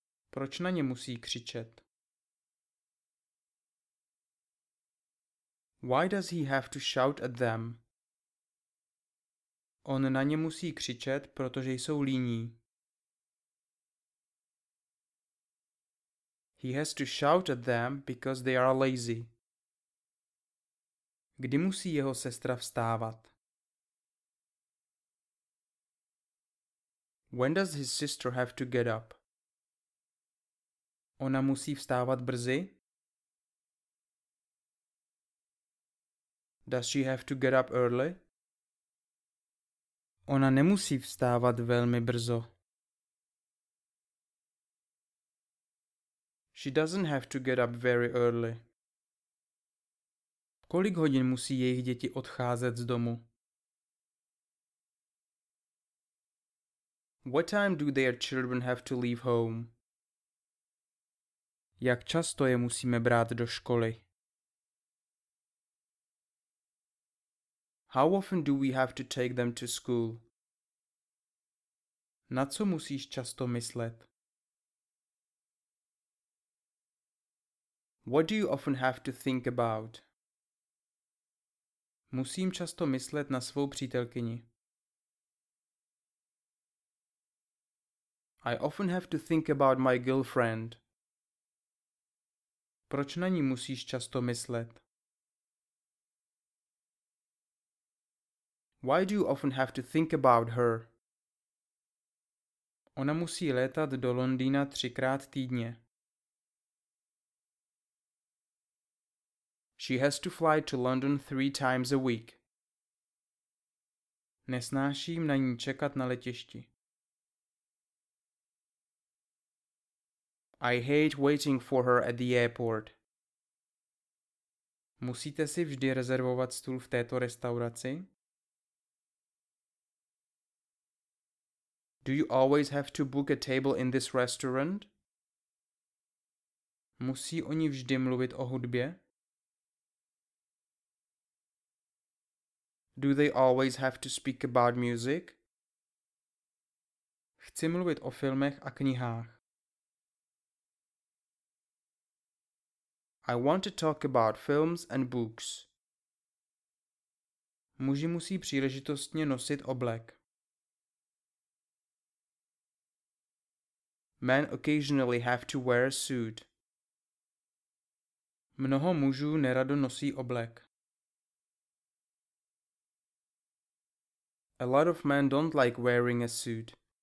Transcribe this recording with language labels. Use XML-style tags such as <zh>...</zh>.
<cs>Proč na ně musí křičet?</cs> <en>Why does he have to shout at them?</en> <cs>On na ně musí křičet, protože jsou líní.</cs> <en>He has to shout at them because they are lazy.</en> <cs>Kdy musí jeho sestra vstávat?</cs> <en>When does his sister have to get up?</en> <cs>Ona musí vstávat brzy?</cs> <en>Does she have to get up early?</en> <cs>Ona nemusí vstávat velmi brzo.</cs> <en>She doesn't have to get up very early.</en> <cs>Kolik hodin musí jejich děti odcházet z domu?</cs> <en>What time do their children have to leave home?</en> <cs>Jak často je musíme brát do školy?</cs> <en>How often do we have to take them to school?</en> <cs>Na co musíš často myslet?</cs> <en>What do you often have to think about?</en> <cs>Musím často myslet na svou přítelkyni.</cs> <en>I often have to think about my girlfriend.</en> <cs>Proč na ní musíš často myslet?</cs> <en>Why do you often have to think about her?</en> <cs>Ona musí létat do Londýna 3x týdně.</cs> <en>She has to fly to London 3 times a week.</en> <cs>Nesnáším na ní čekat na letišti.</cs> <en>I hate waiting for her at the airport.</en> <cs>Musíte si vždy rezervovat stůl v této restauraci?</cs> <en>Do you always have to book a table in this restaurant?</en> <cs>Musí oni vždy mluvit o hudbě?</cs> <en>Do they always have to speak about music?</en> <cs>Chci mluvit o filmech a knihách.</cs> <en>I want to talk about films and books.</en> <cs>Muži musí příležitostně nosit oblek.</cs> <en>Men occasionally have to wear a suit.</en> <cs>Mnoho mužů nerado nosí oblek.</cs> <en>A lot of men don't like wearing a suit.</en>